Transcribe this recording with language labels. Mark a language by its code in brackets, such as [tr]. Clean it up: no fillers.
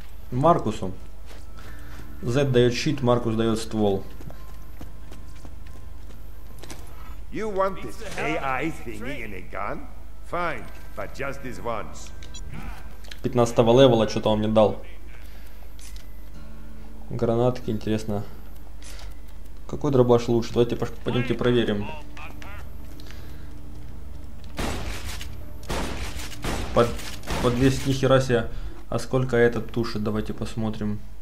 [ru] Маркусу. Зед дает щит, Маркус дает ствол. [en] You want this AI thingy in a gun? Fine, but just this once. [ru] 15-го левела что-то он мне дал. Гранатки, интересно. Какой дробаш лучше? Давайте пойдемте проверим. По 200, нихера себе. А сколько этот тушит? Давайте посмотрим.